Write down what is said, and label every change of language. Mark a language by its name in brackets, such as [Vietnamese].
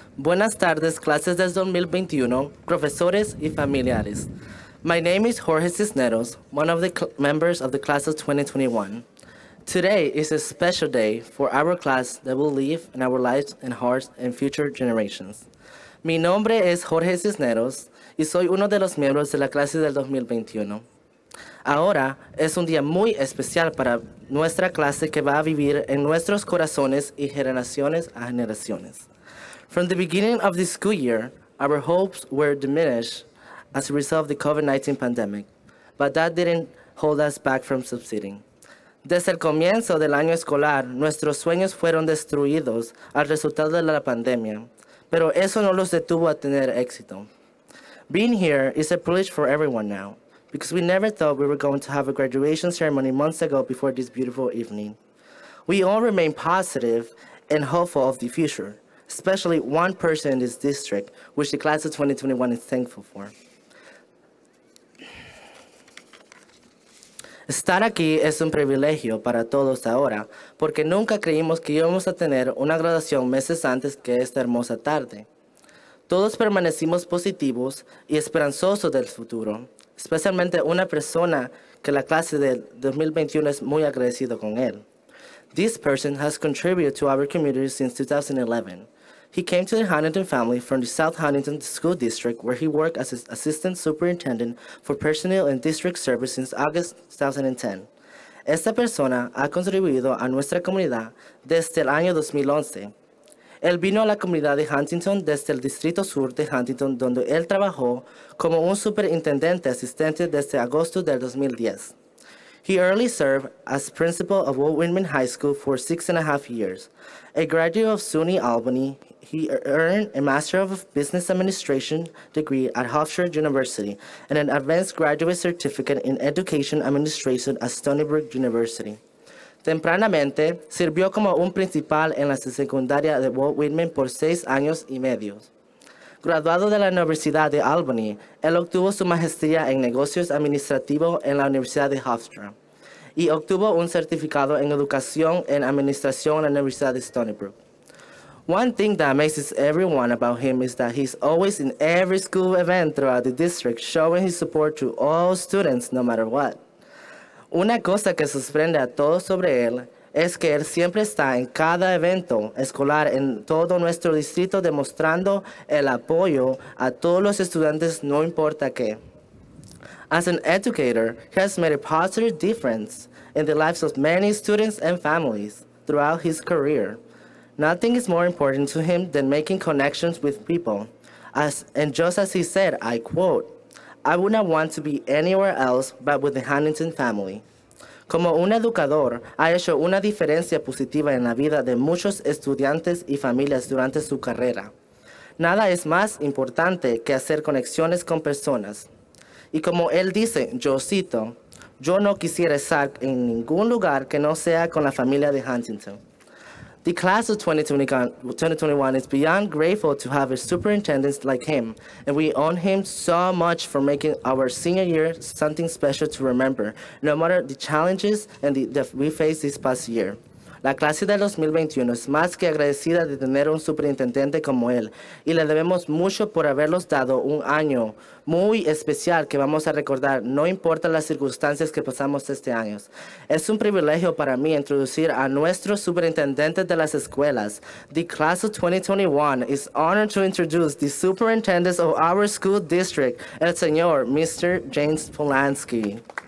[Spanish] Buenas tardes, clases del 2021, profesores y familiares. [English] My name is Jorge Cisneros, one of the members of the class of 2021. Today is a special day for our class that will live in our lives and hearts and future generations. [Spanish] Mi nombre es Jorge Cisneros y soy uno de los miembros de la clase del 2021. Ahora es un día muy especial para nuestra clase que va a vivir en nuestros corazones y generaciones a generaciones. [English] From the beginning of the school year, our hopes were diminished as a result of the COVID-19 pandemic, but that didn't hold us back from succeeding. [Spanish] Desde el comienzo del año escolar, nuestros sueños fueron destruidos al resultado de la pandemia, pero eso no los detuvo a tener éxito. [English] Being here is a privilege for everyone now, because we never thought we were going to have a graduation ceremony months ago before this beautiful evening. We all remain positive and hopeful of the future, especially one person in this district, which the class of 2021 is thankful for. [Spanish] Estar aquí es un privilegio para todos ahora, porque nunca creímos que íbamos a tener una graduación meses antes que esta hermosa tarde. Todos permanecimos positivos y esperanzosos del futuro, especialmente una persona que la clase de 2021 es muy agradecido con él. [English] This person has contributed to our community since 2011. He came to the Huntington family from the South Huntington School District, where he worked as assistant superintendent for personnel and district service since August 2010. [Spanish] Esta persona ha contribuido a nuestra comunidad desde el año 2011. Él vino a la comunidad de Huntington desde el Distrito Sur de Huntington, donde él trabajó como un superintendente asistente desde agosto del 2010. [English] He early served as principal of Walt Whitman High School for 6.5 years. A graduate of SUNY Albany, he earned a Master of Business Administration degree at Hofstra University and an Advanced Graduate Certificate in Education Administration at Stony Brook University. [Spanish] Tempranamente, sirvió como un principal en la secundaria de Walt Whitman por 6 años y medio. Graduado de la Universidad de Albany, él obtuvo su maestría en negocios administrativos en la Universidad de Hofstra y obtuvo un certificado en educación en administración en la Universidad de Stony Brook. [English] One thing that amazes everyone about him is that he's always in every school event throughout the district, showing his support to all students, no matter what. [Spanish] Una cosa que sorprende a todos sobre él es que él siempre está en cada evento escolar en todo nuestro distrito demostrando el apoyo a todos los estudiantes, no importa qué. [English] As an educator, he has made a positive difference in the lives of many students and families throughout his career. Nothing is more important to him than making connections with people. And just as he said, I quote, "I would not want to be anywhere else but with the Huntington family." [Spanish] Como un educador, ha hecho una diferencia positiva en la vida de muchos estudiantes y familias durante su carrera. Nada es más importante que hacer conexiones con personas. Y como él dice, yo cito, "Yo no quisiera estar en ningún lugar que no sea con la familia de Huntington." [English] The class of 2021 is beyond grateful to have a superintendent like him, and we owe him so much for making our senior year something special to remember, no matter the challenges and that we faced this past year. [Spanish] La clase del 2021 es más que agradecida de tener un superintendente como él, y le debemos mucho por haberlos dado un año muy especial que vamos a recordar, no importa las circunstancias que pasamos este año. Es un privilegio para mí introducir a nuestro superintendente de las escuelas. [English] The class of 2021 is honored to introduce the superintendent of our school district, [Spanish] el señor [English] Mr. James Polanski.